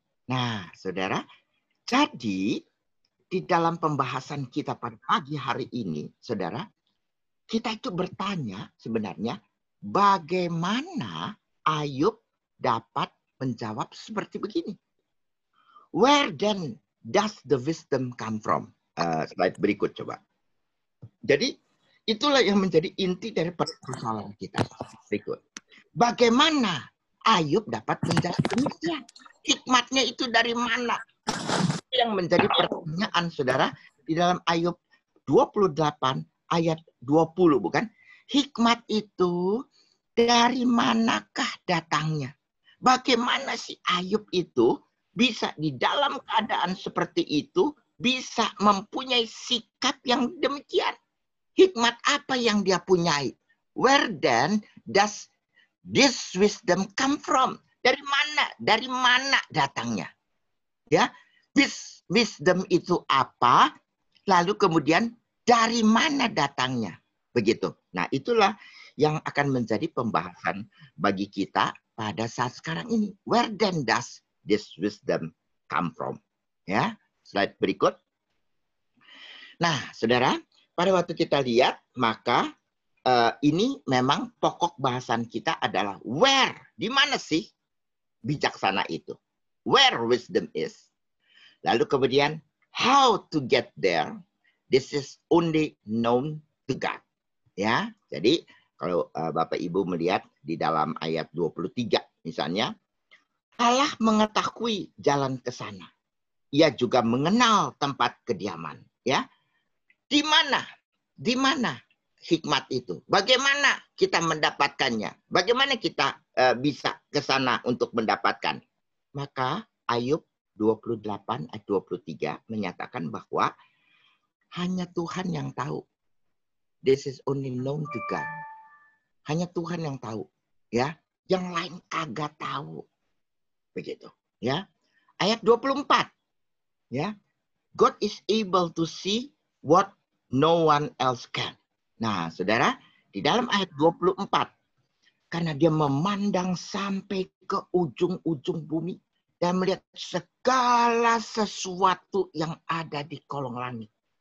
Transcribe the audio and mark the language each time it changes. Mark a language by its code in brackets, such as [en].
[id] Nah, saudara, jadi di dalam pembahasan kita pada pagi hari ini, saudara, kita itu bertanya sebenarnya bagaimana Ayub dapat menjawab seperti begini. [en] Where then does the wisdom come from? [id] Slide berikut coba. Jadi itulah yang menjadi inti dari persoalan kita. Berikut. Bagaimana Ayub dapat menjawab demikian? Hikmatnya itu dari mana? Itu yang menjadi pertanyaan, saudara, di dalam Ayub 28 ayat 20, bukan? Hikmat itu dari manakah datangnya? Bagaimana si Ayub itu bisa di dalam keadaan seperti itu bisa mempunyai sikap yang demikian? Hikmat apa yang dia punyai? [en] Where then does this wisdom come from? [id] Dari mana? Dari mana datangnya? Ya, [en] this wisdom [id] itu apa? Lalu kemudian dari mana datangnya? Begitu. Nah, itulah yang akan menjadi pembahasan bagi kita pada saat sekarang ini. [en] Where then does this wisdom come from? [id] Ya, slide berikut. Nah, saudara, pada waktu kita lihat, maka ini memang pokok bahasan kita adalah where, di mana sih bijaksana itu? [en] Where wisdom is. [id] Lalu kemudian, [en] how to get there, this is only known to God. [id] Ya, jadi kalau Bapak Ibu melihat di dalam ayat 23 misalnya, Allah mengetahui jalan ke sana. Ia juga mengenal tempat kediaman. Ya, di mana hikmat itu? Bagaimana kita mendapatkannya? Bagaimana kita bisa ke sana untuk mendapatkan? Maka Ayub 28 ayat 23 menyatakan bahwa hanya Tuhan yang tahu. [en] This is only known to God. [id] Hanya Tuhan yang tahu, ya. Yang lain kagak tahu. Begitu, ya. Ayat 24. Ya. [en] God is able to see what no one else can. [id] Nah, saudara, di dalam ayat 24, karena dia memandang sampai ke ujung-ujung bumi dan melihat segala sesuatu yang ada di kolong langit.